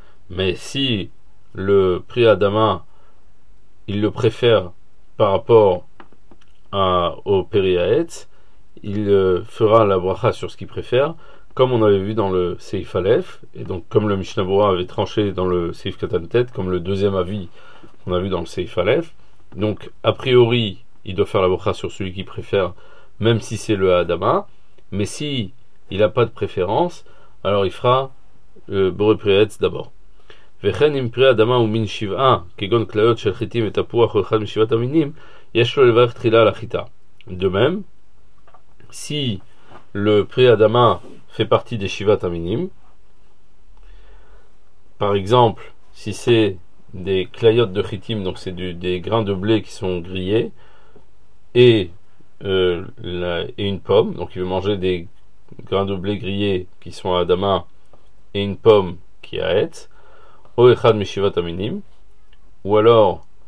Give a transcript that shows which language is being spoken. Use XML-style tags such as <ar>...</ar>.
<fr>Mais si le Pri Adama, il le préfère par rapport au Pri Haetz, il fera la bracha sur ce qu'il préfère, comme on avait vu dans le Seif Aleph, et donc comme le Mishnah Berurah avait tranché dans le Seif Katan Tet, comme le deuxième avis qu'on a vu dans le Seif Aleph. Donc a priori, il doit faire la bracha sur celui qu'il préfère, même si c'est le Adama. Mais si il n'a pas de préférence, alors il fera le Boré Pereetz d'abord.</fr> <he>וכן אם פרי אדמה הוא מין שבעה, כגון כליות של חיטים ותפוח או אחד משבעת המינים, יש לו לברך תחילה על החיטה.</he> <fr>De même, si le pré adama fait partie des shivat aminim, par exemple, si c'est des clayotes de chitim, donc c'est des grains de blé qui sont grillés, et une pomme, donc il veut manger des grains de blé grillés qui sont à adama, et une pomme qui est à haetz, ou</fr> <he>echad mishivat aminim,</he> <fr>ou alors</fr>